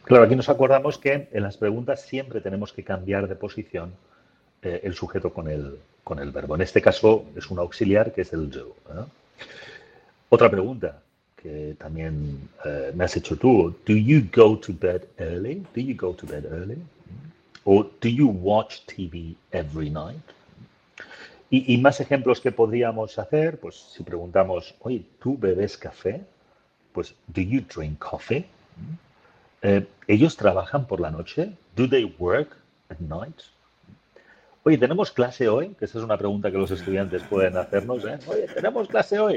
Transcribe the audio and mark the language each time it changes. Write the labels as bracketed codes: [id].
[es] Claro, aquí nos acordamos que en las preguntas siempre tenemos que cambiar de posición el sujeto con el verbo. En este caso es un auxiliar que es el do, ¿no? Otra pregunta que también me has hecho tú. [en] Do you go to bed early? Do you go to bed early? O do you watch TV every night? [es] Y más ejemplos que podríamos hacer, pues si preguntamos, oye, ¿tú bebes café? Pues, [en] do you drink coffee? [es] ¿Ellos trabajan por la noche? [en] Do they work at night? [es] Oye, ¿tenemos clase hoy? Que esa es una pregunta que los estudiantes pueden hacernos, ¿eh? Oye, ¿tenemos clase hoy?